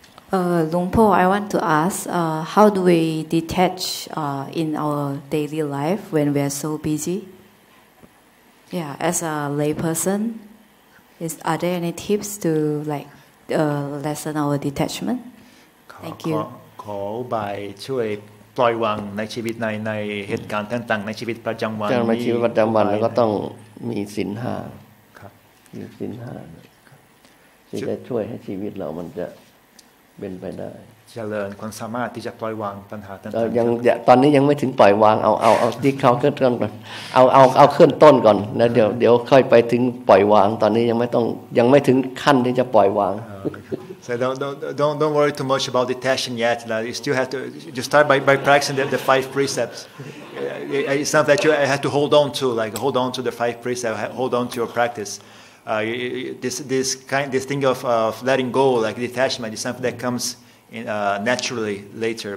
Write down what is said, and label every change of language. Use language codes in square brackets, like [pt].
[en] Lungpo, I want to ask, how do we detach in our daily life when we are so busy? Yeah, as a layperson, are there any tips to like lessen our detachment? Thank you. Call by [th] ปล่อยวางในชีวิตในในเหตุการณ์ต่างๆในชีวิตประจำวัน ในชีวิตประจำวันแล้วก็ต้องมีศีลห้า ครับ มีศีลห้าที่จะช่วยให้ชีวิตเรามันจะเป็นไปได้ เจริญความสามารถที่จะปล่อยวางปัญหาต่าง ๆยังตอนนี้ยังไม่ถึงปล่อยวางเอาที่เขาเคลื่อนก่อนเอาเคลื่อนต้นก่อนแล้วเดี๋ยวค่อยไปถึงปล่อยวางตอนนี้ยังไม่ถึงขั้นที่จะปล่อยวาง [en] So don't worry too much about detachment yet. Now you still have to just start by practicing the five precepts. It's not that you have to hold on to, like hold on to the five precepts, hold on to your practice. This thing of letting go, like detachment, is something that comes in, naturally later.